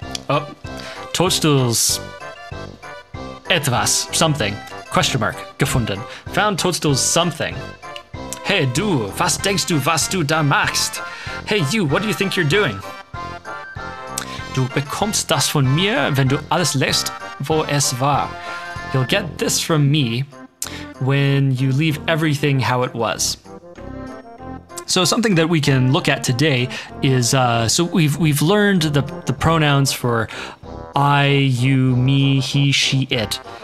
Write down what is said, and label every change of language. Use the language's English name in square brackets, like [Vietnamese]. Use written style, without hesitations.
[English] Oh, Toadstool's etwas, something, question mark, gefunden. Found Toadstool's something. [German] Hey, du, was denkst du, was du da machst? [English] Hey, you, what do you think you're doing? [German] Du bekommst das von mir, wenn du alles lässt, wo es war. [English] You'll get this from me when you leave everything how it was. So something that we can look at today is so we've learned the pronouns for I, you, me, he, she, it.